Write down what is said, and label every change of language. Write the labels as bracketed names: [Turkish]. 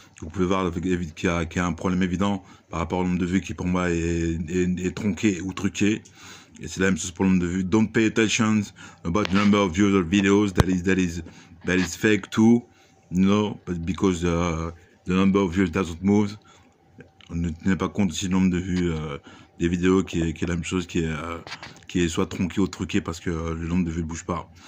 [French] Vous pouvez voir qu'il y a un problème évident par rapport au nombre de vues qui pour moi est tronqué ou truqué. Et c'est la même chose pour le nombre de vues. [English] Don't pay attention about the number of views or videos that is fake too. No, but because the number of views doesn't move. [French] On ne tenait pas compte aussi du nombre de vues des vidéos qui est la même chose, qui est soit tronqué ou truqué parce que le nombre de vues ne bouge pas.